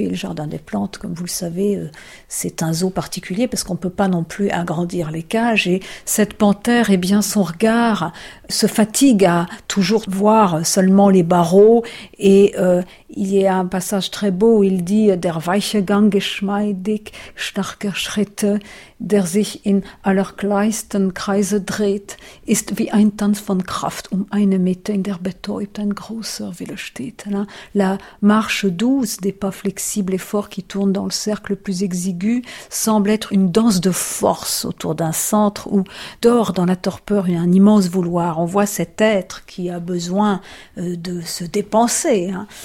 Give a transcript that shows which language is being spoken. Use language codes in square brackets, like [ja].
[fr] Et le Jardin des Plantes, comme vous le savez, c'est un zoo particulier parce qu'on ne peut pas non plus agrandir les cages. Et cette panthère, eh bien, son regard se fatigue à toujours voir seulement les barreaux. Et il y a un passage très beau où il dit « [de] Der weiche Gang geschmeidig, starke Schritte ». Der sich in aller kleinsten Kreise dreht, ist wie ein Tanz von Kraft um eine Mitte, in der betäubt ein großer Wille steht. [fr] La marche douce des pas flexibles et forts qui tournent dans le cercle le plus exigu semble être une danse de force autour d'un centre où dort dans la torpeur un immense vouloir. On voit cet être qui a besoin de se dépenser, hein.